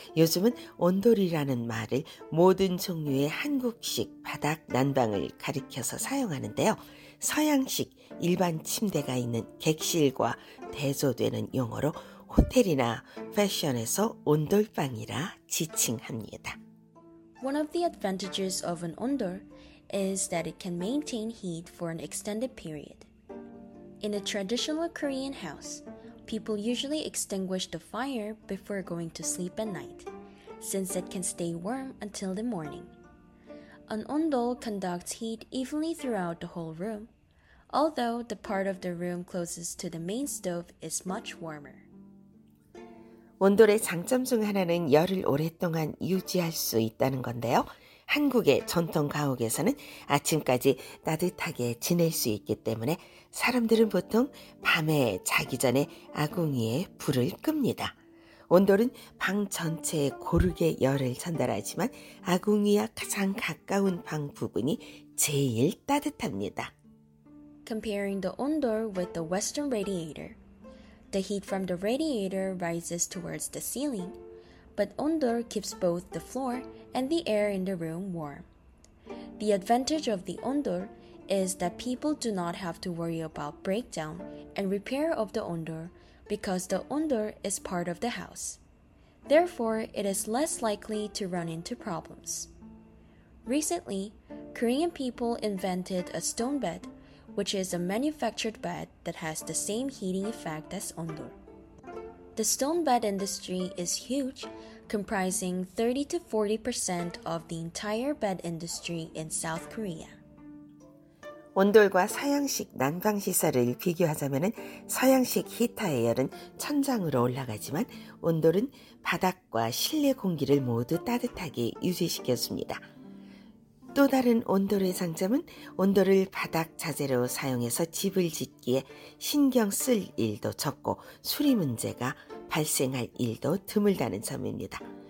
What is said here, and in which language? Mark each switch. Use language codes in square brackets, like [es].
[ko] 요즘은 온돌이라는 말을 모든 종류의 한국식 바닥 난방을 가리켜서 사용하는데요. 서양식 일반 침대가 있는 객실과 대조되는 용어로 호텔이나 패션에서 온돌방이라 지칭합니다. [en] One of the advantages of an ondol is that it can maintain heat for an extended period. In a traditional Korean house, people usually extinguish the fire before going to sleep at night, since it can stay warm until the morning. An ondol conducts heat evenly throughout the whole room, although the part of the room closest to the main stove is much warmer. [ko] 온돌의 장점 중 하나는 열을 오랫동안 유지할 수 있다는 건데요. 한국의 전통 가옥에서는 아침까지 따뜻하게 지낼 수 있기 때문에 사람들은 보통 밤에 자기 전에 아궁이에 불을 끕니다. 온돌은 방 전체에 고르게 열을 전달하지만 아궁이와 가장 가까운 방 부분이 제일 따뜻합니다. [en] Comparing the ondol with the Western radiator, the heat from the radiator rises towards the ceiling, but ondol keeps both the floor and the air in the room warm. The advantage of the ondol is that people do not have to worry about breakdown and repair of the ondol because the ondol is part of the house. Therefore, it is less likely to run into problems. Recently, Korean people invented a stone bed which is a manufactured bed that has the same heating effect as ondol. The stone bed industry is huge, comprising 30-40% of the entire bed industry in South Korea. [ko] 온돌과 서양식 난방 시설을 비교하자면은 서양식 히터의 열은 천장으로 올라가지만 온돌은 바닥과 실내 공기를 모두 따뜻하게 유지시켰습니다. 또 다른 온돌의 장점은 온돌을 바닥 자재로 사용해서 집을 짓기에 신경 쓸 일도 적고 수리 문제가 발생할 일도 드물다는 점입니다.